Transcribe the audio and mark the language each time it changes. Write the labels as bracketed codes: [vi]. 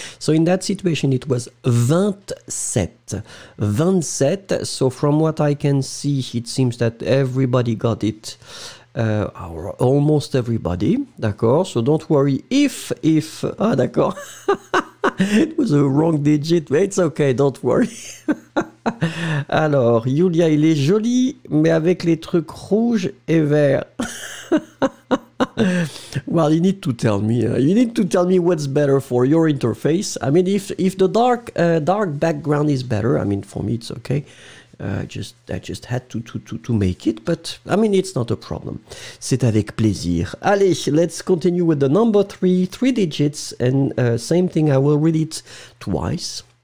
[en] So in that situation, it was 27. So from what I can see, it seems that everybody got it. Or almost everybody, d'accord, so don't worry if, ah d'accord, it was a wrong digit, but it's okay, don't worry. [fr] Alors, Julia, il est joli, mais avec les trucs rouges et verts. [en] Well, you need to tell me. You need to tell me what's better for your interface. I mean, if the dark background is better, I mean, for me, it's okay. I just had to make it, but I mean, it's not a problem. [fr] C'est avec plaisir. Allez, [en] let's continue with the number 3 digits, and same thing, I will read it twice.